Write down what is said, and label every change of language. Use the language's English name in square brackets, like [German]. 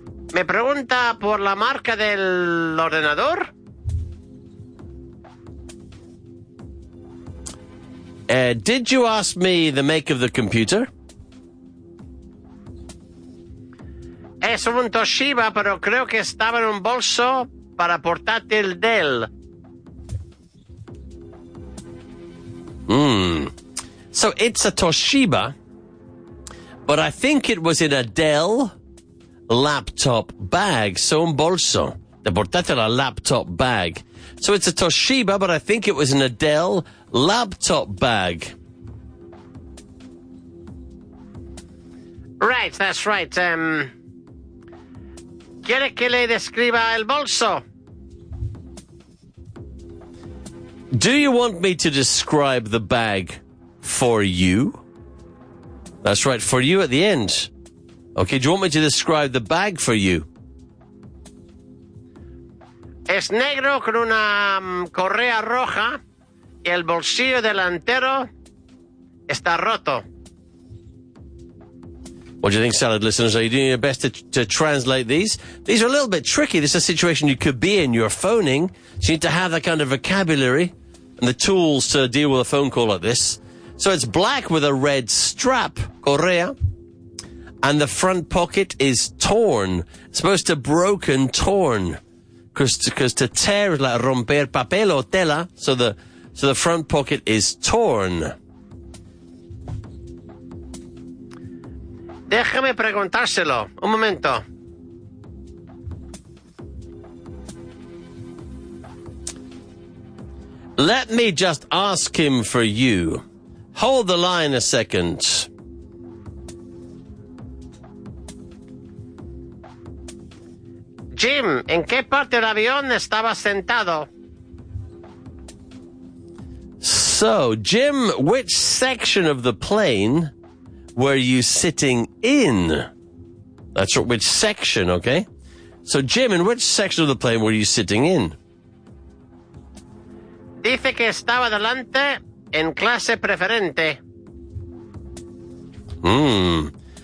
[Spanish] ¿Me pregunta por la marca del ordenador? [English] Did you ask me the make of the computer? [Spanish] Es un Toshiba, pero creo que estaba en un bolso para portátil Dell. [English] So it's a Toshiba, but I think it was in a Dell laptop bag. [Spanish] So un bolso, de portátil, [English] a laptop bag. So it's a Toshiba, but I think it was in a Dell laptop bag. Right, that's right. [Spanish] ¿Quiere que le describa el bolso? [English] Do you want me to describe the bag? For you. That's right, for you at the end. Okay, do you want me to describe the bag for you? [Spanish] Es negro con una correa roja y el bolsillo delantero está roto. [English] What do you think, salad listeners? Are you doing your best to translate these? These are a little bit tricky. This is a situation you could be in. You're phoning. So you need to have that kind of vocabulary and the tools to deal with a phone call like this. So it's black with a red strap, correa, and the front pocket is torn. It's supposed to broken, torn, because to tear is like [Spanish] romper papel o tela. [English] So the front pocket is torn. [Spanish] Déjame preguntárselo. Un momento. [English] Let me just ask him for you. Hold the line a second. [Spanish] Jim, ¿en qué parte del avión estaba sentado? [English] So, Jim, which section of the plane were you sitting in? That's right, which section, okay? So, Jim, in which section of the plane were you sitting in? [Spanish] Dice que estaba delante... en clase preferente.